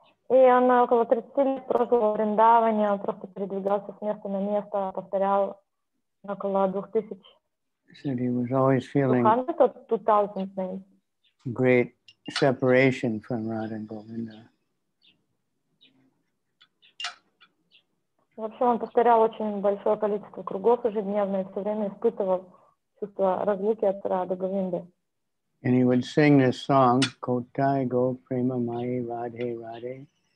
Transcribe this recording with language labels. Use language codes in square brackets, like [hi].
[ru] И он около 30 лет прожил в Вриндаване, он просто передвигался с места на место, повторял около 2000. [en] Said he was always feeling 2000 names. Great separation from Radha and Govinda. [ru] Вообще он повторял очень большое количество кругов ежедневно и все время испытывал чувство разлуки от Рады Говинды. [en] And he would sing this song, Kotai Go Prema Mai Radhe Radhe.